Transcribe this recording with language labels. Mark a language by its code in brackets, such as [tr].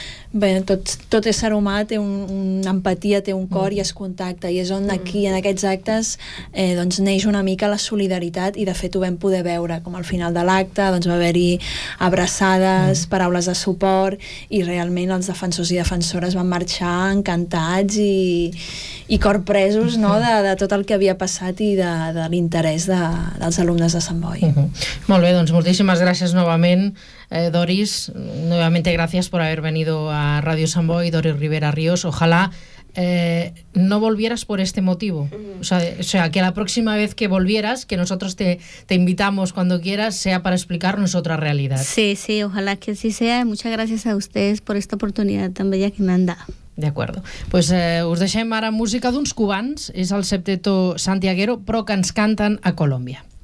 [ca] bé, tot ésser humà té una empatia, té un cor i es contacta, i és on aquí, en aquests actes, doncs neix una mica la solidaritat, i de fet ho vam poder veure, com al final de l'acte doncs va haver-hi abraçades, paraules de suport, i realment els defensors i defensores van marxar encantats i corpresos, no?, de tot el que havia passat i de l'interès dels alumnes de Sant Boi. Molt bé, doncs moltíssimes gràcies novament [es] Doris, nuevamente gracias por haber venido a Radio San Boi, Doris Rivera Ríos. Ojalá no volvieras por este motivo. O sea, que la próxima vez que volvieras, que nosotros te invitamos cuando quieras, sea para explicarnos otra realidad. Sí, ojalá que así sea. Muchas gracias a ustedes por esta oportunidad tan bella que me han dado. De acuerdo. [ca] Pues us deixem ara música d'uns cubans, és el septeto Santiaguero, però que ens canten a Colòmbia.